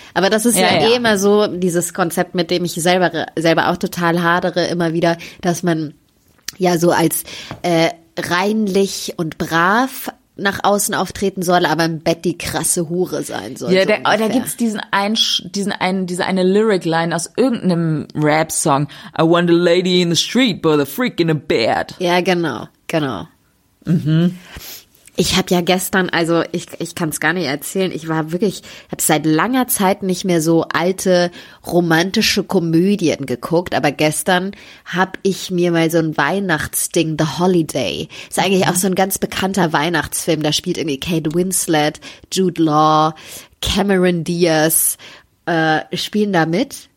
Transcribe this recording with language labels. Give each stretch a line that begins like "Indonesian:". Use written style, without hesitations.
German: Aber das ist ja eh immer so, dieses Konzept, mit dem ich selber auch total hadere, immer wieder, dass man ja so als reinlich und brav nach außen auftreten soll, aber im Bett die krasse Hure sein soll. Ja, da gibt's diese eine Lyric-Line aus irgendeinem Rap-Song.
English: I want a lady in the street, but a freak in a bed.
German: Ja, genau. Mhm. Ich habe ja gestern, also ich kann es gar nicht erzählen, ich war wirklich, habe seit langer Zeit nicht mehr so alte romantische Komödien geguckt, aber gestern habe ich mir mal so ein Weihnachtsding, The Holiday, ist eigentlich auch so ein ganz bekannter Weihnachtsfilm, da spielt irgendwie Kate Winslet, Jude Law, Cameron Diaz, spielen da mit.